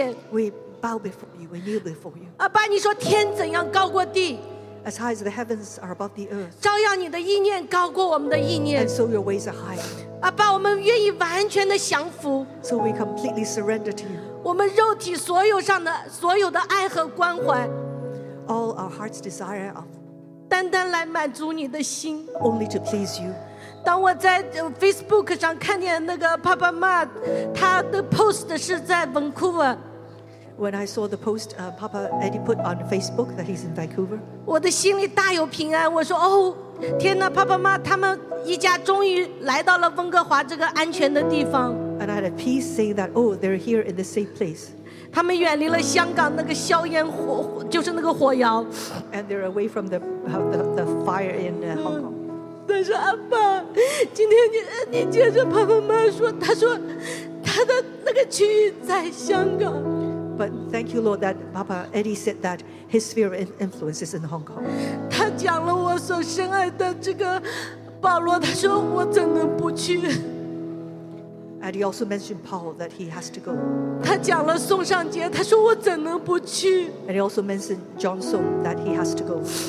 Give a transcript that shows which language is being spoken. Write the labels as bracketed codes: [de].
[en] We bow before you, we kneel before you. [zh] 阿爸, 你说天怎样高过地, [en] as high as the heavens are above the earth. [zh] 照样你的意念高过我们的意念, [en] and so your ways are high. [zh] 阿爸, 我们愿意完全的降服, [en] so we completely surrender to you. [zh] 我们肉体所有的爱和关怀, [en] all our heart's desire of [zh] 单单来满足你的心, [en] only to please you. [zh] 当我在Facebook上看见那个爸爸妈, 他的post是在Vancouver, [en] when I saw the post Papa Eddie put on Facebook that he's in Vancouver, [zh] 我的心里大有平安, 我说, 哦, 天哪, 爸爸妈, 他们一家终于来到了温哥华这个安全的地方。 [en] And I had a peace saying that, oh, they're here in the safe place. [zh] 他们远离了香港那个硝烟火, 就是那个火窑。 [en] And they're away from the fire in Hong Kong. [zh] 但是, 阿爸, 今天你接着爸爸妈说, 他说他的那个区域在香港。 [en] But thank you, Lord, that Papa Eddie said that his sphere of influence is in Hong Kong. [zh] 他讲了我所深爱的这个保罗,他说我怎能不去。 [en] And he also mentioned Paul, that he has to go. [zh] 他讲了宋尚杰, 他说我怎能不去。 [en] And he also mentioned John Song, that he has to go.